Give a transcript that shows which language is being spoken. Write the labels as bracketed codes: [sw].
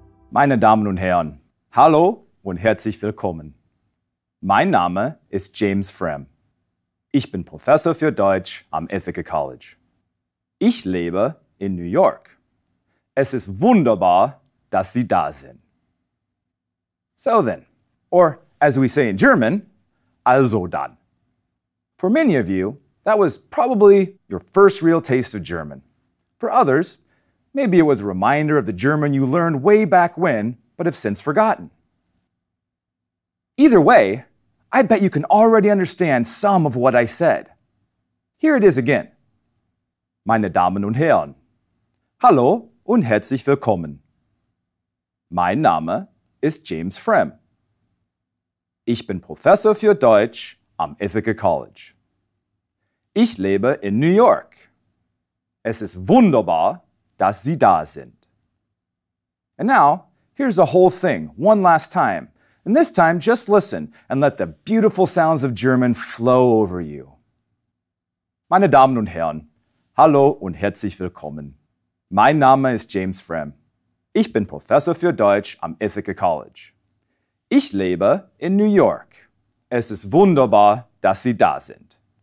[de] Meine Damen und Herren, hallo und herzlich willkommen. Mein Name ist James Fram. Ich bin Professor für Deutsch am Ithaca College. Ich lebe in New York. Es ist wunderbar, dass Sie da sind. [en] So then, or as we say in German, [de] also dann. [en] For many of you, that was probably your first real taste of German. For others, maybe it was a reminder of the German you learned way back when, but have since forgotten. Either way, I bet you can already understand some of what I said. Here it is again. [de] Meine Damen und Herren, hallo und herzlich willkommen. Mein Name ist James Fram. Ich bin Professor für Deutsch am Ithaca College. Ich lebe in New York. Es ist wunderbar, dass Sie da sind. [en] And now, here's the whole thing, one last time. And this time, just listen and let the beautiful sounds of German flow over you. [de] Meine Damen und Herren, hallo und herzlich willkommen. Mein Name ist James Fram. Ich bin Professor für Deutsch am Ithaca College. Ich lebe in New York. Es ist wunderbar, dass Sie da sind.